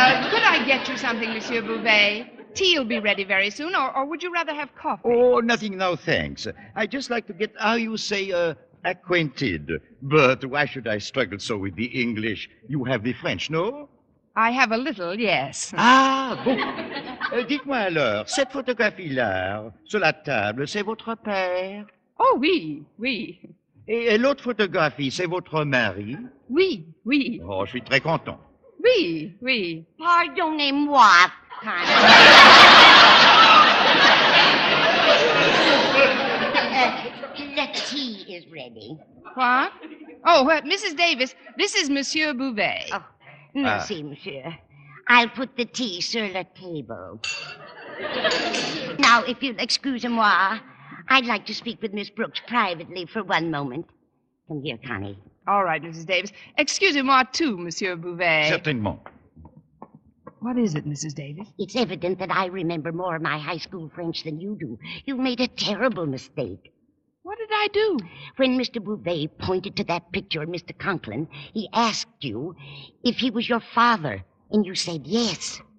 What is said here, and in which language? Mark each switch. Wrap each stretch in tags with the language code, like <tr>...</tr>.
<en>could I get you something, Monsieur Bouvet? Tea will be ready very soon, or would you rather have coffee? Oh, nothing now, thanks. I just like to get, how you say, acquainted. But why should I struggle so with the English? You have the French, no? I have a little, yes.</en> <fr>Ah, bon. Dites-moi alors, cette photographie-là, sur la table, c'est votre père? Oh, oui, oui. Et l'autre photographie, c'est votre mari? Oui, oui. Oh, je suis très content. Oui, oui. Pardonnez-moi, Connie.</fr> <en>the tea is ready. What? Oh, Mrs. Davis, this is Monsieur Bouvet. Oh,</en> <fr>merci, monsieur.</fr> <en>I'll put the tea</en> <fr>sur la table.</fr> <en>Now, if you'll excuse moi, I'd like to speak with Miss Brooks privately for one moment. Come here, Connie. All right, Mrs. Davis.</en> <fr>Excusez-moi, too, Monsieur Bouvet. Certainement.</fr> <en>What is it, Mrs. Davis? It's evident that I remember more of my high school French than you do. You made a terrible mistake. What did I do? When Mr. Bouvet pointed to that picture of Mr. Conklin, he asked you if he was your father, and you said yes.</en>